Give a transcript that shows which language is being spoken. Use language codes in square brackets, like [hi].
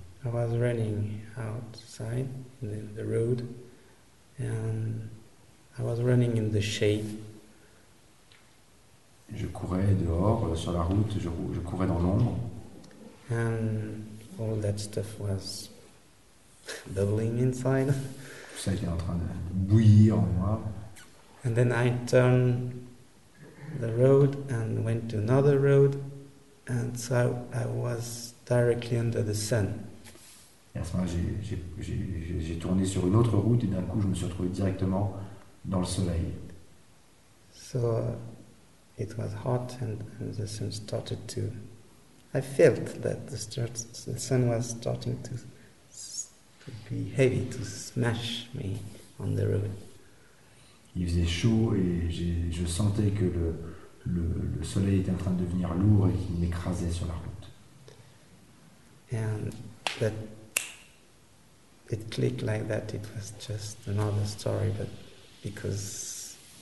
[en] I was running outside in the road and I was running in the shade. [fr] Je courais dehors sur la route, je courais dans l'ombre. [en] And all that stuff was bubbling inside. [fr] Tout ça était en train de bouillir en moi. [en] And then I turned the road and went to another road, and so I was directly under the sun. [fr] Et à ce moment-là, j'ai tourné sur une autre route et d'un coup, je me suis retrouvé directement dans le soleil. [en] So it was hot and the sun started to. I felt that the sun was starting to be heavy, to smash me on the road. [fr] Il faisait chaud et je sentais que le soleil était en train de devenir lourd et qu'il m'écrasait sur la route. [en] And that it clicked like that, it was just another story, but because